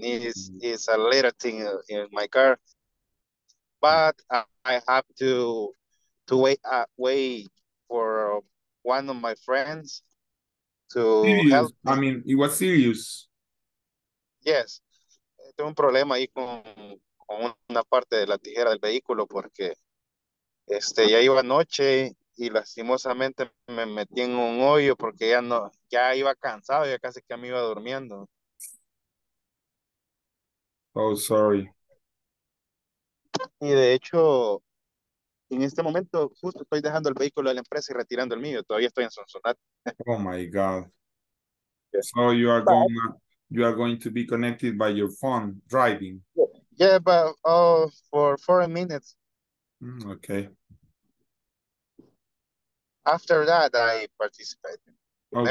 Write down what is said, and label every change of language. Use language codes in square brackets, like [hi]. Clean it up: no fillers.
[en] It's a little thing in my car, but I have to wait for one of my friends to help me. I mean, it was serious. [es] Yes, tengo un problema ahí con una parte de la tijera del vehículo porque ya iba anoche y lastimosamente me metí en un hoyo porque ya iba cansado, ya casi que me iba durmiendo. [en] Oh, sorry. [es] Y de hecho, en este momento justo estoy dejando el vehículo de la empresa y retirando el mío. Todavía estoy en Sonsonate. [en] Oh my God. So you are going to be connected by your phone driving. Yeah, but for 4 minutes. Okay. After that, I participate. Okay.